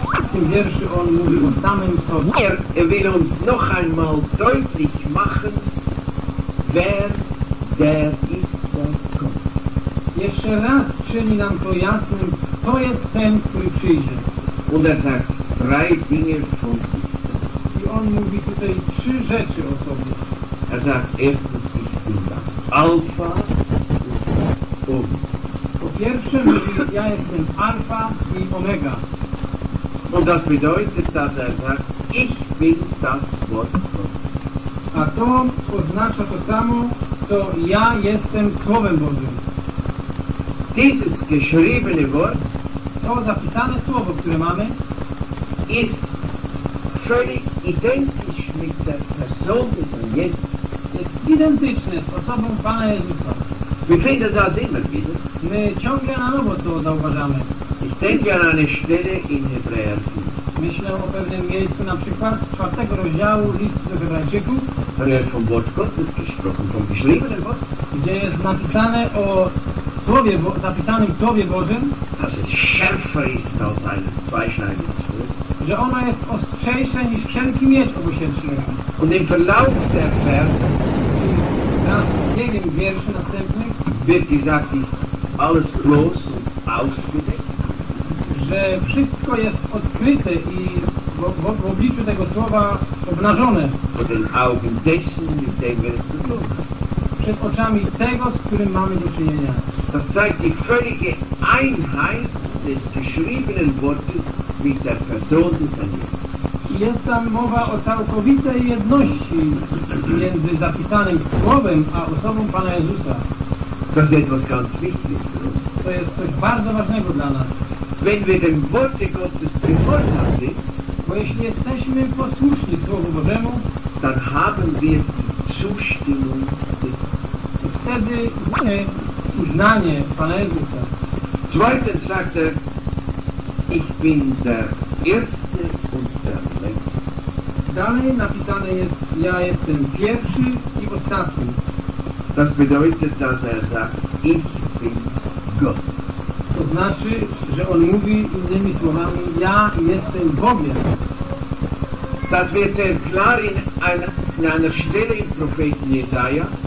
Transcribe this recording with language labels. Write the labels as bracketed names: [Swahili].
[Polish] W tym wierszu on mówi o samym sobie. [German] Er will uns noch einmal deutlich machen, wer der ist, der kommt. [Polish] Jeszcze raz czyni nam to jasnym, kto jest ten, który przyjdzie. [German] Und er sagt drei Dinge von sich. [Polish] I on mówi tutaj trzy rzeczy o sobie. [German] Er sagt erstens, ich bin das Alpha und Omega. [Polish] Po pierwsze mówi, ja jestem Alpha i Omega. [German] Und das bedeutet, dass er sagt, ich bin das Wort Gottes. [Polish] A to oznacza to samo, co ja jestem Słowem Bożym. [German] Dieses geschriebene Wort, [Polish] to zapisane słowo, które mamy, [German] ist völlig identisch mit der Person des Jezus. [Polish] Jest identyczne z osobą Pana Jezusa. [German] Wir finden das immer wieder. [Polish] My ciągle na nowo to zauważamy. [German] Ich denke an eine Stelle in Hebräer 5. [Polish] Myślę o pewnym miejscu, na przykład z 4 rozdziału listu do Hebrajczyków. Ale jest [German] vom Wort Gottes gesprochen, vom geschriebenen Wort. [Polish] Gdzie jest napisane o słowie, zapisanym w Słowie Bożym. [German] Dass es schärfer ist als ein zweischneidiges Schwert. [Polish] Że ono jest ostrzejsze niż wszelki miecz obosieczny. [German] Und im Verlauf der Verse. [Polish] I na biegiem wierszy następnych. [German] Wird gesagt, ist alles bloß und ausgedeckt. [Polish] Że wszystko jest odkryte i w obliczu tego słowa obnażone. Przed oczami tego, z którym mamy do czynienia. [German] Das zeigt die völlige Einheit des geschriebenen Wortes mit der Person des Herrn. [Polish] Jest tam mowa o całkowitej jedności między zapisanym słowem a osobą Pana Jezusa. [German] Das ist etwas ganz Wichtiges für uns. [Polish] To jest coś bardzo ważnego dla nas. [German] Wenn wir dem Wort Gottes gehorsam sind, [Polish] bo jeśli jesteśmy posłuszni Słowu Bożemu, [German] dann haben wir Zustimmung des [Polish] Herrn. Wtedy mamy uznanie Pana Jezusa. [German] Zweitens sagt er, ich bin der Erste und der Letzte. [Polish] Dalej napisane jest, ja jestem pierwszy i ostatni. [German] Das bedeutet, dass er sagt, ich bin Gott. [Polish] To znaczy, że on mówi innymi słowami, ja jestem Bogiem. [German] Das wird sehr klar in einer Stelle im Propheten Jesaja.